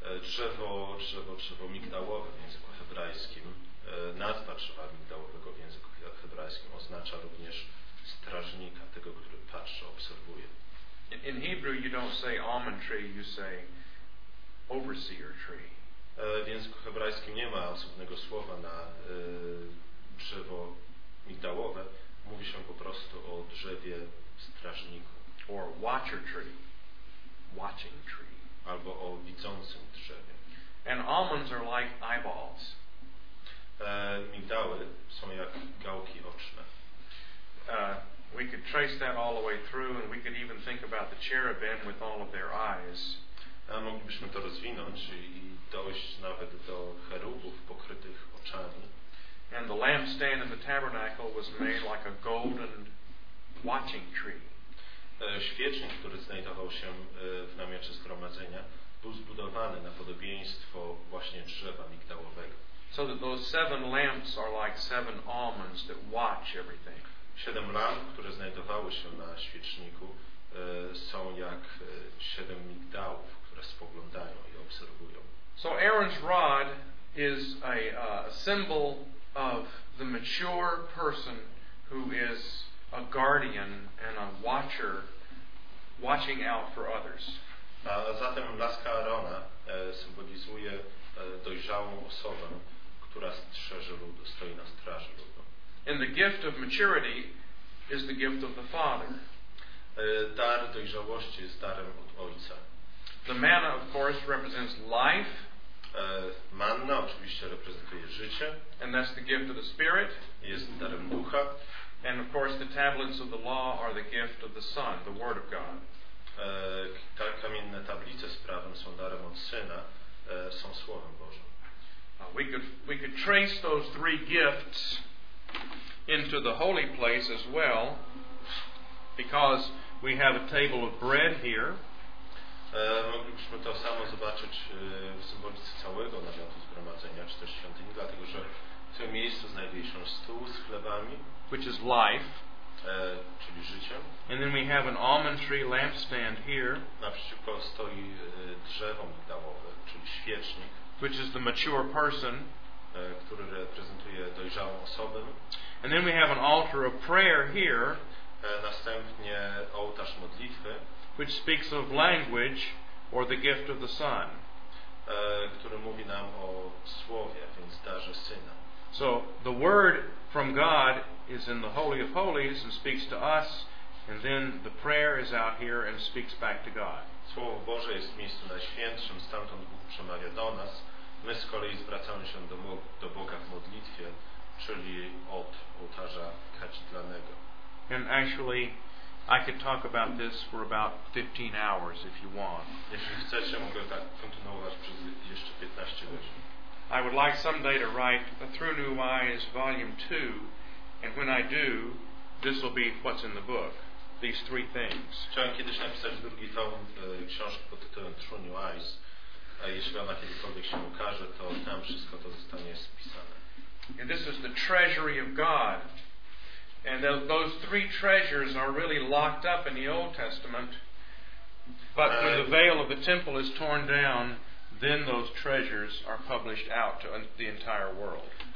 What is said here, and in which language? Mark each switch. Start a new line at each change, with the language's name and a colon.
Polish: Drzewo migdałowe w języku hebrajskim, nazwa drzewa migdałowego w języku hebrajskim oznacza również strażnika, tego, który patrzy, obserwuje.
English: In Hebrew you don't say almond tree, you say overseer tree.
Polish: W języku hebrajskim nie ma osobnego słowa na drzewo migdałowe, mówi się po prostu o drzewie strażniku.
English: Or watcher tree. Watching tree.
Polish: Albo o widzącym drzewie.
English: And almonds are like eyeballs.
Polish: Migdały są jak gałki oczne.
English: We could trace that all the way through, and we could even think about the cherubim with all of their eyes.
Polish: Moglibyśmy to rozwinąć i dojść nawet do cherubów pokrytych oczami.
English: And the lampstand in the tabernacle was made like a golden watching tree.
Polish: Świecznik, który znajdował się w namiocie zgromadzenia, był zbudowany na podobieństwo właśnie drzewa migdałowego.
English: So that those seven lamps are like seven almonds that watch everything.
Polish: Siedem lamp, które znajdowały się na świeczniku, są jak siedem migdałów, które spoglądają i obserwują.
English: So Aaron's rod is a symbol of the mature person who is a guardian and a watcher watching out for others.
Polish: A zatem laska Aarona symbolizuje dojrzałą osobę, która strzeże ludu, stoi na straży ludu.
English: And the gift of maturity is the gift of the Father.
Polish: Dar dojrzałości jest darem od Ojca.
English: The manna, of course, represents life.
Polish: Manna oczywiście reprezentuje życie.
English: And that's the gift of the Spirit.
Polish: Jest darem Ducha.
English: And of course the tablets of the law are the gift of the Son, the Word of God.
Polish: Te kamienne tablice z prawem są darem od Syna, są Słowem Bożym.
English: We could trace those three gifts into the holy place as well, because We have a table of bread here.
Polish: Moglibyśmy to samo zobaczyć w symbolice całego namiotu zgromadzenia, czy też świątyni, dlatego że w tym miejscu znajduje się stół z chlebami,
English: which is life,
Polish: czyli życie.
English: And then we have an almond tree lampstand here.
Polish: Naprzeciwko stoi drzewo migdałowe, czyli świecznik,
English: which is the mature person,
Polish: który reprezentuje dojrzałą osobę.
English: And then we have an altar of prayer here.
Polish: Następnie ołtarz modlitwy,
English: which speaks of language or the gift of the Son,
Polish: który mówi nam o słowie, więc darze Syna.
English: So the word from God is in the Holy of Holies and speaks to us, and then the prayer is out here and speaks back to God.
Polish: Słowo Boże jest w miejscu najświętszym, stamtąd Bóg przemawia do nas. My z kolei zwracamy się do Boga w modlitwie, czyli od ołtarza kadzidlanego.
English: And actually, I could talk about this for about 15 hours if you want.
Polish: Jeśli chcecie, mogę tak kontynuować przez jeszcze 15 godzin.
English: I would like someday to write a Through New Eyes Volume 2, and when I do, this will be what's in the book. These three things.
Polish: Chciałem kiedyś napisać drugi tom książki pod tytułem Through New Eyes, a jeśli ona kiedykolwiek się ukaże, to tam wszystko to zostanie spisane.
English: And this is the treasury of God. And those three treasures are really locked up in the Old Testament. But when the veil of the temple is torn down, then those treasures are published out to the entire world.